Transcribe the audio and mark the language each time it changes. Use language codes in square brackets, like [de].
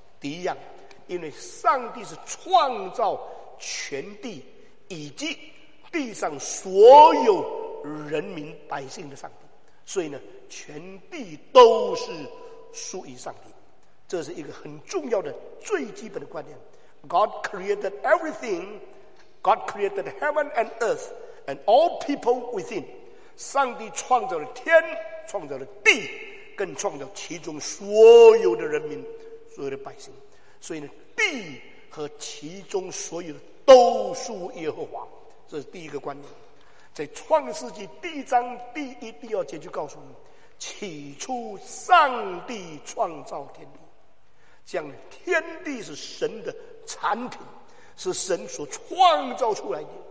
[zh] 第一样，因为上帝是创造全地以及地上所有人民百姓的上帝，所以呢全地都是属于上帝，这是一个很重要的最基本的观念。 [en] God created everything, God created heaven and earth and all people within. [zh] 上帝创造了天，创造了地，更创造其中所有的人民，所有的百姓。所以呢地和其中所有的都属耶和华，这是第一个观念。在创世纪第一章第一第二节就告诉我们，起初上帝创造天地，这样天地是神的产品，是神所创造出来的。